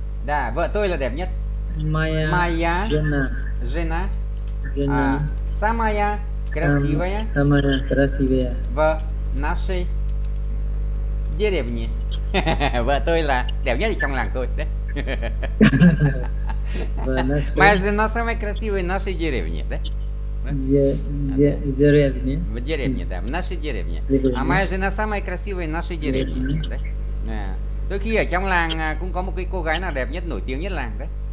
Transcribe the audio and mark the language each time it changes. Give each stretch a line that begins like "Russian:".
Russian: Да,
Vietnamese: vợ tôi là đẹp nhất.
Russian: Моя жена. Жена. Самая красивая. Самая красивая. В нашей деревне.
Vietnamese: Vợ tôi là đẹp nhất trong làng tôi,
Russian: да? Моя жена самая красивая в нашей деревне, да? В нашей деревне. А моя жена самая красивая в нашей деревне. Да? Да.
Vietnamese: Đôi khi ở trong làng cũng có một cái cô gái nào đẹp nhất, nổi tiếng nhất làng đấy.